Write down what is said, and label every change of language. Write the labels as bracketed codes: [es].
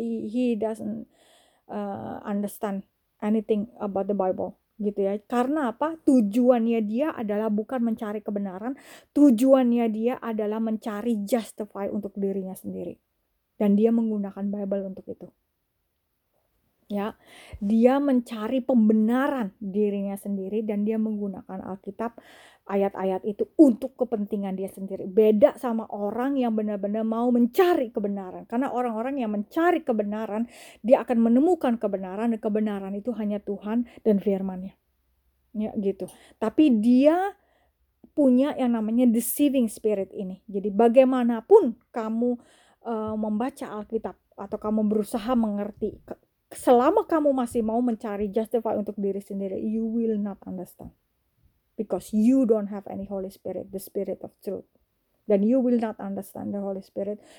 [en] He doesn't understand anything about the Bible [id] gitu ya. Karena apa? Tujuannya dia adalah bukan mencari kebenaran, tujuannya dia adalah mencari justify untuk dirinya sendiri. Dan dia menggunakan Bible untuk itu. Ya. Dia mencari pembenaran dirinya sendiri dan dia menggunakan Alkitab, ayat-ayat itu untuk kepentingan dia sendiri. Beda sama orang yang benar-benar mau mencari kebenaran. Karena orang-orang yang mencari kebenaran, dia akan menemukan kebenaran. Dan kebenaran itu hanya Tuhan dan firman-Nya. Ya, gitu. Tapi dia punya yang namanya [en] deceiving spirit [id] ini. Jadi bagaimanapun kamu membaca Alkitab atau kamu berusaha mengerti, selama kamu masih mau mencari justify untuk diri sendiri, [en] you will not understand. Because you don't have any Holy Spirit, the Spirit of Truth. Then you will not understand the Holy Spirit.